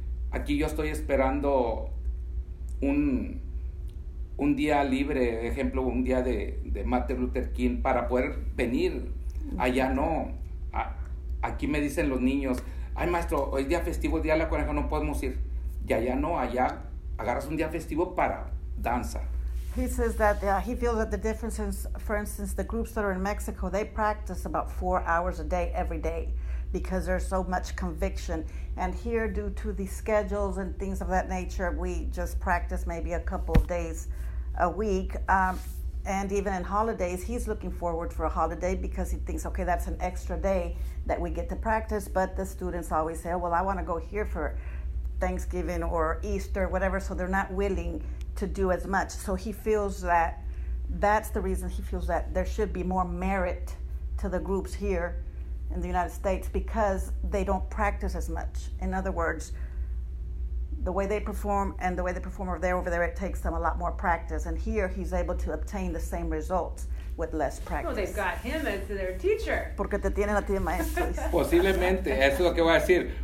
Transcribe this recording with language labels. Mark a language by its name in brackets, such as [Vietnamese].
[Spanish] Aquí yo estoy esperando un día libre, ejemplo, un día de Martin Luther King para poder venir. Allá no. Aquí me dicen los niños, ay maestro, hoy es día festivo, día de la coneja, no podemos ir. Y allá no, allá agarras un día festivo para danza. [English] He says that he feels that the difference is, for instance, the groups that are in Mexico, they practice about 4 hours a day every day because there's so much conviction. And here, due to the schedules and things of that nature, we just practice maybe a couple of days a week. And even in holidays, he's looking forward for a holiday because he thinks, okay, that's an extra day that we get to practice. But the students always say, oh, well, I want to go here for Thanksgiving or Easter, whatever. So they're not willing to do as much. So he feels that that's the reason he feels that there should be more merit to the groups here in the United States because they don't practice as much. In other words, the way they perform and the way they perform over there, it takes them a lot more practice. And here he's able to obtain the same results with less practice. Well, they've got him as their teacher. [Spanish] Porque te tienen a ti de maestro. Posiblemente, eso es lo que voy a decir.